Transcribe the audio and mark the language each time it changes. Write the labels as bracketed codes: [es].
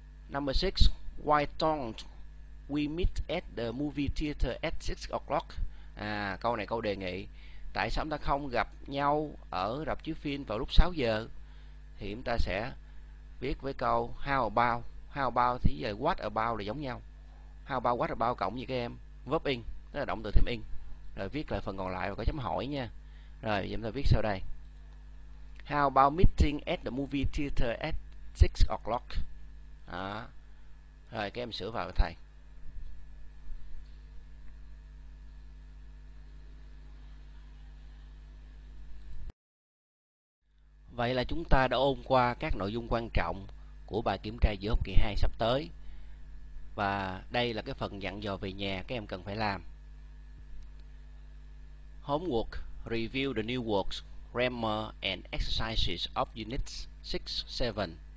[en] Number 6, why don't we meet at the movie theater at 6 o'clock? [vi] À, câu này câu đề nghị. Tại sao chúng ta không gặp nhau ở rạp chiếu phim vào lúc 6 giờ? Thì chúng ta sẽ viết với câu how about. How about thì giờ what about là giống nhau. How about what about cộng với các em verb in, tức là động từ thêm in. Rồi viết lại phần còn lại và có chấm hỏi nha. Rồi chúng ta viết sau đây. [en] How about meeting at the movie theater at 6 o'clock? [vi] Đó. Rồi các em sửa vào thầy. Vậy là chúng ta đã ôn qua các nội dung quan trọng của bài kiểm tra giữa học kỳ 2 sắp tới. Và đây là cái phần dặn dò về nhà các em cần phải làm. [en] Homework: review the new works, grammar and exercises of units 6-7.